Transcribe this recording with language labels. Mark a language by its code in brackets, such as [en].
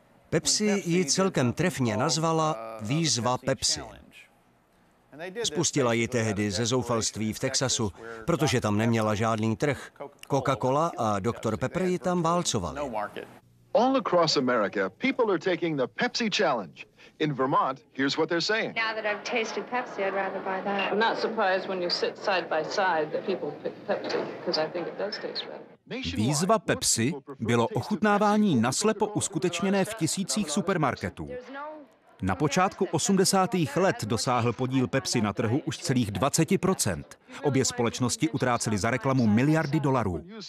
[cs] Pepsi ji celkem trefně nazvala Výzva Pepsi. Spustila ji tehdy ze zoufalství v Texasu, protože tam neměla žádný trh. Coca-Cola a Dr. Pepper ji tam válcovali. [en] All across America, people are taking the Pepsi challenge. In Vermont, here's what they're saying. Now that I've tasted Pepsi, I'd rather buy that. I'm not surprised when you sit side by side that people pick Pepsi, because I think it does taste better. [cs] Výzva Pepsi bylo ochutnávání naslepo uskutečněné v tisících supermarketů. Na počátku 80. let dosáhl podíl Pepsi na trhu už celých 20%. Obě společnosti utrácely za reklamu miliardy dolarů.